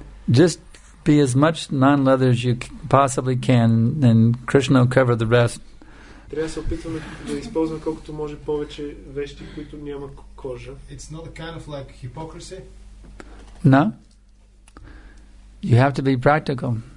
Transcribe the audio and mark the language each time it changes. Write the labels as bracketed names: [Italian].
[English] Just be as much non-leather as you possibly can, and Krishna will cover the rest. [Bulgarian] Трябва се опитваме да използваме колкото може повече вещи, които няма кожа. [English] It's not a kind of like hypocrisy. No. You have to be practical.